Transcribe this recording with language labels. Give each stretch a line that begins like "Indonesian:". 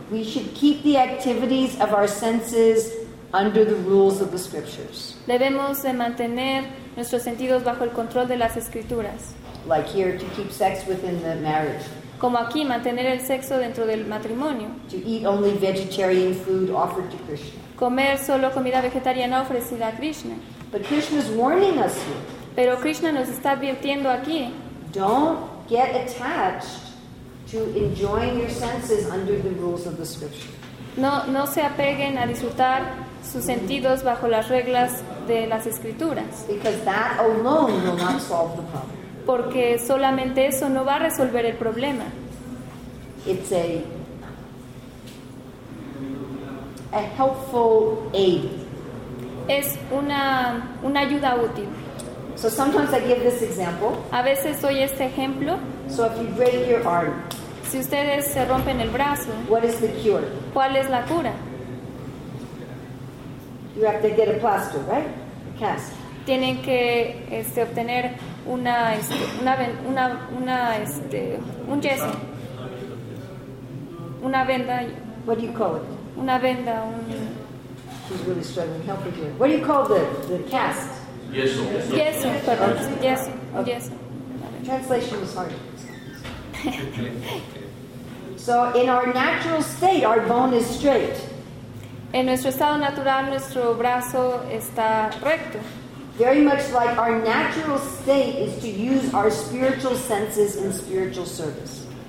English: we should keep the activities of our senses under the rules of the scriptures.
Spanish: Debemos de mantener nuestros sentidos bajo el control de las escrituras.
English: Like here, to keep sex within the marriage.
Spanish: Como aquí, mantener el sexo dentro del matrimonio.
English: To eat only vegetarian food offered to Krishna.
Spanish: Comer solo comida vegetariana ofrecida a Krishna.
English: But Krishna's warning us here.
Spanish: Pero Krishna nos está advirtiendo aquí.
English: Don't get attached to enjoying your senses under the rules of the scripture.
Spanish: No se apeguen a disfrutar sus sentidos bajo las reglas de las escrituras.
English: Because that alone will not solve the problem.
Spanish: Porque solamente eso no va a resolver el problema.
English: It's a helpful aid.
Spanish: Es una ayuda útil.
English: So sometimes I give this example.
Spanish: A veces doy este ejemplo.
English: So if you break your arm,
Spanish: si ustedes se rompen el brazo,
English: what is the cure?
Spanish: ¿Cuál es la cura?
English: You have to get a plaster, right? A cast.
Spanish: Tienen que obtener un yeso. Una venda.
English: What do you call it?
Spanish: Una venda,
English: She's really struggling. Help her here. What do you call the cast?
Spanish: Yeso. Yeso.
English: Translation is hard. So in our natural state, our bone is straight.
Spanish: En nuestro estado natural, nuestro brazo está recto.
English: Very much like our natural state is to use our spiritual senses in spiritual service.